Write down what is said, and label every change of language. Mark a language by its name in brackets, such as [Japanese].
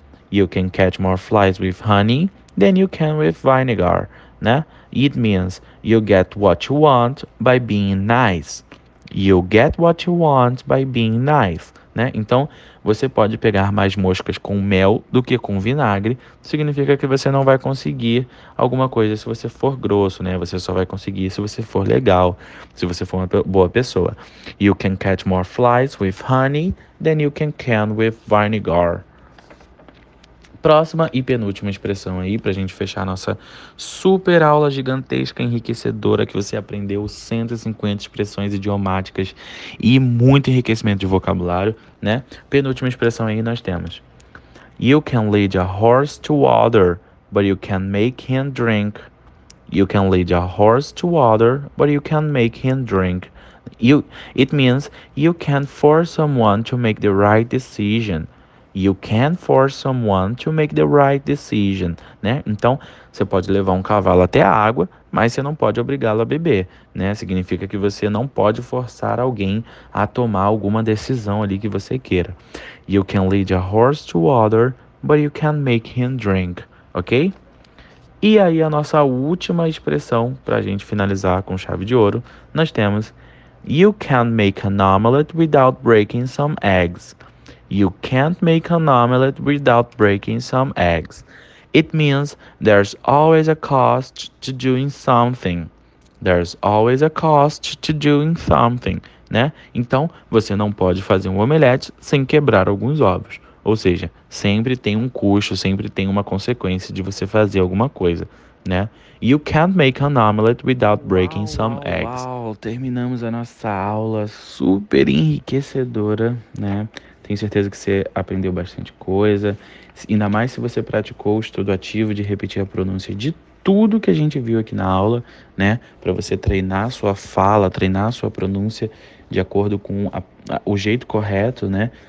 [English] You can catch more flies with honey than you can with vinegar, né? It means you get what you want by being nice. You get what you want by being nice, né? [Portuguese] Então, você pode pegar mais moscas com mel do que com vinagre. Significa que você não vai conseguir alguma coisa se você for grosso, né? Você só vai conseguir se você for legal, se você for uma boa pessoa. [English] You can catch more flies with honey than you can with vinegar. [Portuguese] Próxima e penúltima expressão aí, para a gente fechar nossa super aula gigantesca, enriquecedora, que você aprendeu 150 expressões idiomáticas e muito enriquecimento de vocabulário, né? Penúltima expressão aí nós temos: [English] You can lead a horse to water, but you can make him drink. You can lead a horse to water, but you can make him drink. It means you can force someone to make the right decision. You can force someone to make the right decision, né? [Portuguese] Então, você pode levar um cavalo até a água, mas você não pode obrigá-lo a beber, né? Significa que você não pode forçar alguém a tomar alguma decisão ali que você queira. [English] You can lead a horse to water, but you can make him drink, ok? [Portuguese] E aí, a nossa última expressão para a gente finalizar com chave de ouro, nós temos: [English] You can make an omelette without breaking some eggs. You can't make an omelette without breaking some eggs. It means there's always a cost to doing something. There's always a cost to doing something, né? [Portuguese] Então, você não pode fazer um omelete sem quebrar alguns ovos. Ou seja, sempre tem um custo, sempre tem uma consequência de você fazer alguma coisa, né? [English] You can't make an omelet without breaking some eggs. [Portuguese] Uau, uau, uau! Terminamos a nossa aula super enriquecedora, né? Tenho certeza que você aprendeu bastante coisa, ainda mais se você praticou o estudo ativo de repetir a pronúncia de tudo que a gente viu aqui na aula, né? Para você treinar a sua fala, treinar a sua pronúncia de acordo com o jeito correto, né?